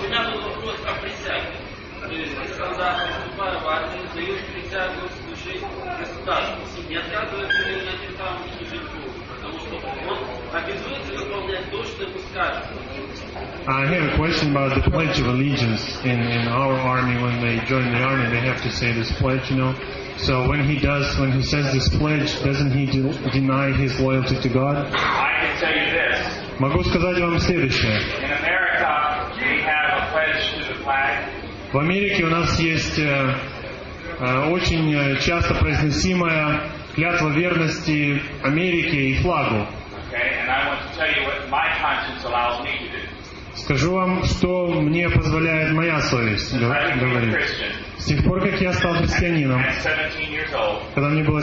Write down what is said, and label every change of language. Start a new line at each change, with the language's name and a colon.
Russian: У меня был вопрос о присяге. Когда поступаю в армию, даю присягу служить государству. Не отказываю ли мне там служить Богу? Потому что он обязуется выполнять то, что ему скажут.
English: I have a question about the Pledge of Allegiance in our army. When they join the army, they have to say this pledge, you know. So when he says this pledge, doesn't he deny his loyalty to God? I can tell you this.
Russian: Могу сказать вам следующее.
English: In America, we have a pledge to the flag.
Russian: В Америке у нас есть очень часто произносимая клятва верности Америке и флагу.
English: Okay, and I want to tell you what my conscience allows me to do.
Russian: Скажу вам, что мне позволяет моя совесть говорить. С тех пор, как я стал христианином, когда мне было